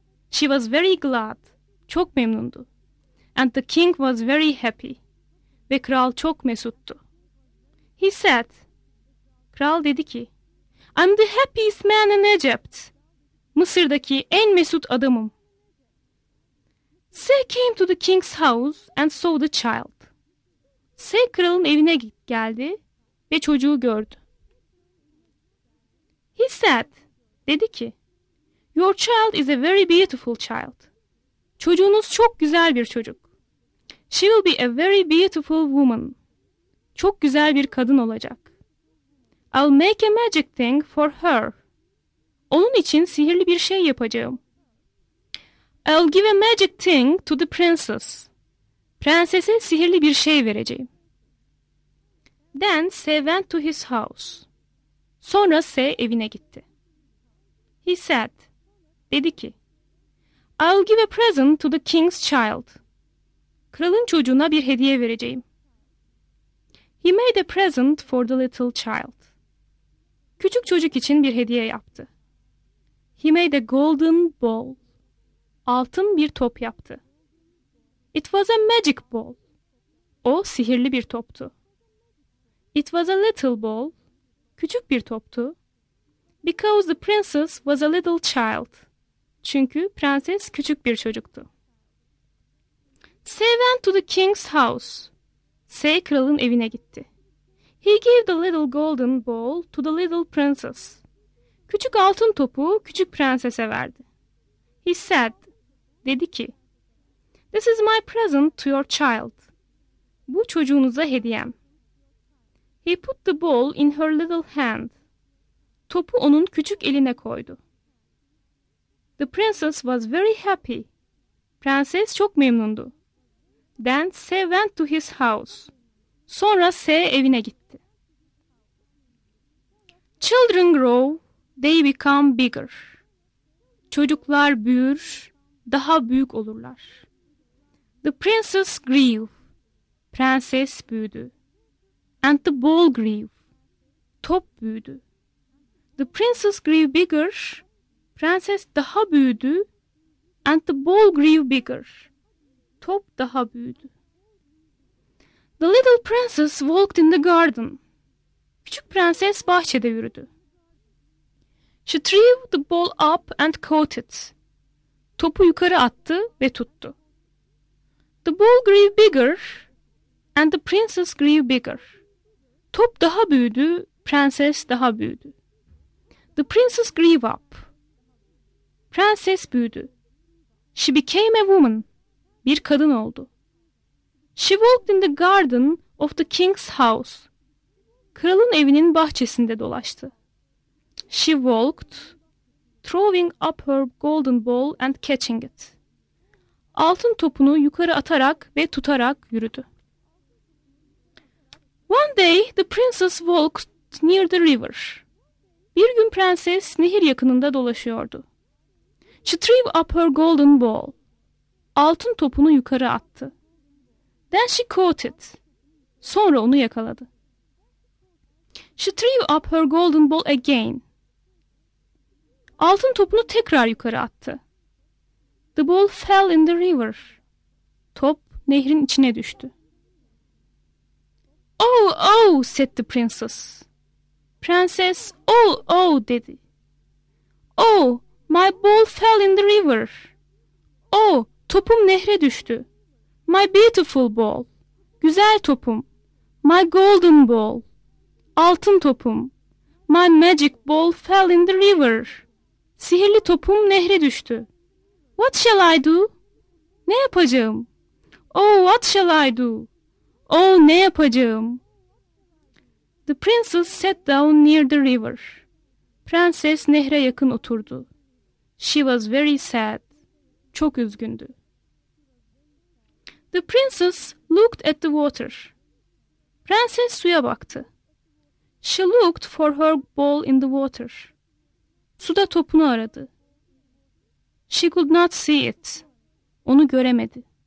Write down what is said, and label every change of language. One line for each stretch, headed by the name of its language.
English: She was very glad.
Turkish: Çok memnundu.
English: And the king was very happy.
Turkish: Ve kral çok mesuttu.
English: He said.
Turkish: Kral dedi ki.
English: I'm the happiest man in Egypt.
Turkish: Mısır'daki en mesut adamım.
English: Say came to the king's house and saw the child.
Turkish: Say kralın evine geldi ve çocuğu gördü.
English: He said,
Turkish: dedi ki,
English: Your child is a very beautiful child.
Turkish: Çocuğunuz çok güzel bir çocuk.
English: She will be a very beautiful woman.
Turkish: Çok güzel bir kadın olacak.
English: I'll make a magic thing for her.
Turkish: Onun için sihirli bir şey yapacağım.
English: I'll give a magic thing to the princess.
Turkish: Prensese sihirli bir şey vereceğim.
English: Then Say went to his house.
Turkish: Sonra Say evine gitti.
English: He said,
Turkish: dedi ki,
English: I'll give a present to the king's child.
Turkish: Kralın çocuğuna bir hediye vereceğim.
English: He made a present for the little child.
Turkish: Küçük çocuk için bir hediye yaptı.
English: He made a golden ball.
Turkish: Altın bir top yaptı.
English: It was a magic ball.
Turkish: O sihirli bir toptu.
English: It was a little ball.
Turkish: Küçük bir toptu.
English: Because the princess was a little child.
Turkish: Çünkü prenses küçük bir çocuktu.
English: Say went to the king's house.
Turkish: Say kralın evine gitti.
English: He gave the little golden ball to the little princess.
Turkish: Küçük altın topu küçük prensese verdi.
English: He said,
Turkish: dedi ki,
English: This is my present to your child.
Turkish: Bu çocuğunuza hediyem.
English: He put the ball in her little hand.
Turkish: Topu onun küçük eline koydu.
English: The princess was very happy.
Turkish: Prenses çok memnundu.
English: Then Say went to his house. Sonra Say evine gitti. Children grow, they become bigger.
Turkish: Çocuklar büyür, daha büyük olurlar.
English: The princess grew.
Turkish: Prenses büyüdü.
English: And the ball grew.
Turkish: Top büyüdü.
English: The princess grew bigger.
Turkish: Prenses daha büyüdü.
English: And the ball grew bigger.
Turkish: Top daha büyüdü.
English: The little princess walked in the garden.
Turkish: Küçük prenses bahçede yürüdü.
English: She threw the ball up and caught it.
Turkish: Topu yukarı attı ve tuttu.
English: The ball grew bigger and the princess grew bigger.
Turkish: Top daha büyüdü, prenses daha büyüdü.
English: The princess grew up.
Turkish: Prenses büyüdü.
English: She became a woman.
Turkish: Bir kadın oldu.
English: She walked in the garden of the king's house.
Turkish: Kralın evinin bahçesinde dolaştı.
English: She walked, throwing up her golden ball and catching it.
Turkish: Altın topunu yukarı atarak ve tutarak yürüdü.
English: One day the princess walked near the river.
Turkish: Bir gün prenses nehir yakınında dolaşıyordu.
English: She threw up her golden ball.
Turkish: Altın topunu yukarı attı.
English: Then she caught it.
Turkish: Sonra onu yakaladı.
English: She threw up her golden ball again.
Turkish: Altın topunu tekrar yukarı attı.
English: The ball fell in the river.
Turkish: Top nehrin içine düştü.
English: Oh, oh, said the princess.
Turkish: Prenses, oh, oh, dedi.
English: Oh, my ball fell in the river.
Turkish: Oh, topum nehre düştü.
English: My beautiful ball.
Turkish: Güzel topum.
English: My golden ball.
Turkish: Altın topum.
English: My magic ball fell in the river.
Turkish: Sihirli topum nehre düştü.
English: What shall I do?
Turkish: Ne yapacağım?
English: Oh, what shall I do?
Turkish: Oh, ne yapacağım?
English: The princess sat down near the river.
Turkish: Prenses nehre yakın oturdu.
English: She was very sad.
Turkish: Çok üzgündü.
English: The princess looked at the water.
Turkish: Prenses suya baktı.
English: She looked for her ball in the water.
Turkish: Suda topunu aradı.
English: She could not see it.
Turkish: Onu göremedi.